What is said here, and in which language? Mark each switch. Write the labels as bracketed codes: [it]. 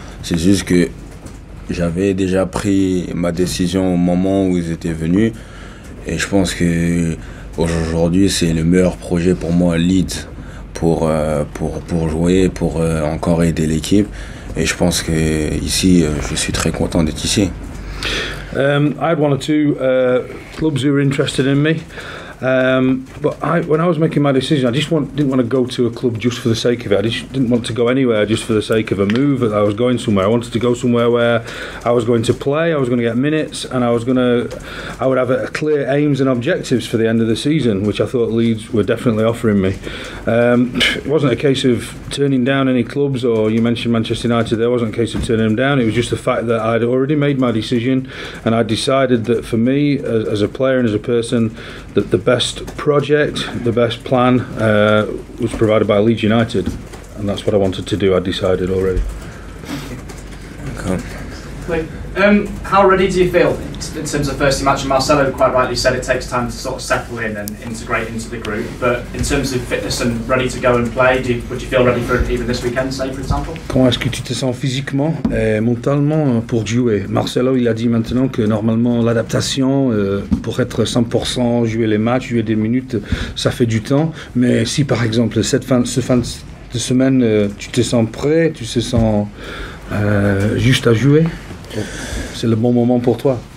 [fr] C'est juste que j'avais déjà pris ma décision au moment où ils étaient venus. Et je pense que aujourd'hui c'est le meilleur projet pour moi, Leeds, pour jouer, pour encore aider l'équipe. Et je pense que ici, je suis très content d'être ici. [en] I had one or two clubs who were interested in me. But when I was making my decision, I didn't want to go to a club just for the sake of it. I just didn't want to go anywhere just for the sake of a move. I was going somewhere. I wanted to go somewhere where I was going to play, I was going to get minutes, and I would have a clear aims and objectives for the end of the season, which I thought Leeds were definitely offering me. It wasn't a case of turning down any clubs, or you mentioned Manchester United, there wasn't a case of turning them down. It was just the fact that I'd already made my decision, and I decided that for me, as a player and as a person, that the best project, the best plan was provided by Leeds United, and that's what I wanted to do. I decided already. Thank you. How ready do you feel in terms of first team action? Marcelo quite rightly said it takes time to sort of settle in and integrate into the group, but in terms of fitness and ready to go and play, would you feel ready for even this weekend, say, for example? [fr] Comment est-ce que tu te sens physiquement et mentalement pour jouer? Marcelo, il a dit maintenant que normalement l'adaptation pour être 100% jouer les matchs, jouer des minutes, ça fait du temps. Mais si par exemple cette fin de semaine tu te sens prêt, tu te sens juste à jouer, c'est le bon moment pour toi?